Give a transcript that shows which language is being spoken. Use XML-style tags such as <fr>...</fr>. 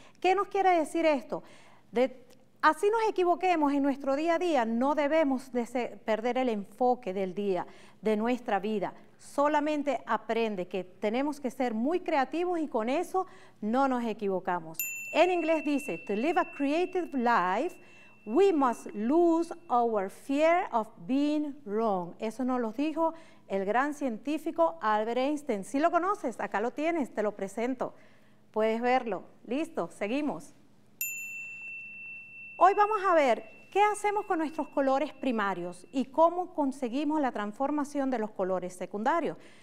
<es>¿Qué nos quiere decir esto? Así nos equivoquemos en nuestro día a día, no debemos perder el enfoque del día, de nuestra vida. Solamente aprende que tenemos que ser muy creativos y con eso no nos equivocamos. En inglés dice,</es> <en>to live a creative life, We must lose our fear of being wrong.</en> <es>Eso nos lo dijo el gran científico Albert Einstein. ¿Sí lo conoces? Acá lo tienes, te lo presento. Puedes verlo. Listo, seguimos. Hoy vamos a ver qué hacemos con nuestros colores primarios y cómo conseguimos la transformación de los colores secundarios.</es>